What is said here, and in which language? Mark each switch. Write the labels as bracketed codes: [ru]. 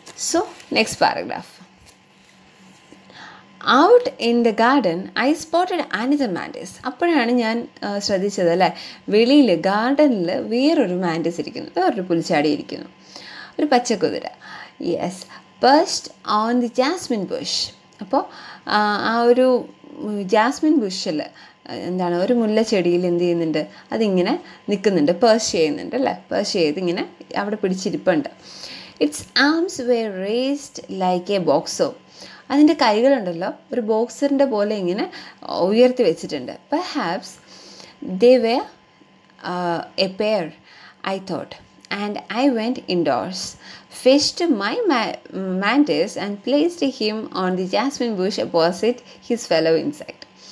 [en] So next paragraph. Out in the garden, I spotted another mantis. [ml] അപ്പോഴാണ് ഞാൻ ശ്രദ്ധിച്ചത് അല്ലേ, വെളിയിൽ ഗാർഡനിൽ വേറൊരു മാൻറ്റിസ് ഇരിക്കുന്നു, വേറൊരു പുലിച്ചാടി ഇരിക്കുന്നു, ഒരു Pachakuthira. [en] Yes, perched on the jasmine bush. [ml] അപ്പോൾ ആ ഒരു ജാസ്മിൻ ബുഷിൽ എന്താണ് ഒരു മുല്ലച്ചെടിയിൽ എന്ത് ചെയ്യുന്നുണ്ട്, അതിങ്ങനെ നിൽക്കുന്നുണ്ട്, പേർച്ച് ചെയ്യുന്നുണ്ട് അല്ലേ, പേർച്ച് ചെയ്ത് ഇങ്ങനെ അവിടെ പിടിച്ചിരിപ്പുണ്ട്. [en] Its arms were raised like a boxer. [ml] അതിൻ്റെ കൈകളുണ്ടല്ലോ ഒരു ബോക്സറിൻ്റെ പോലെ ഇങ്ങനെ ഉയർത്തി വെച്ചിട്ടുണ്ട്. [en] Perhaps they were a pair, I thought. And I went indoors, fished my mantis and placed him on the jasmine bush opposite his fellow insect.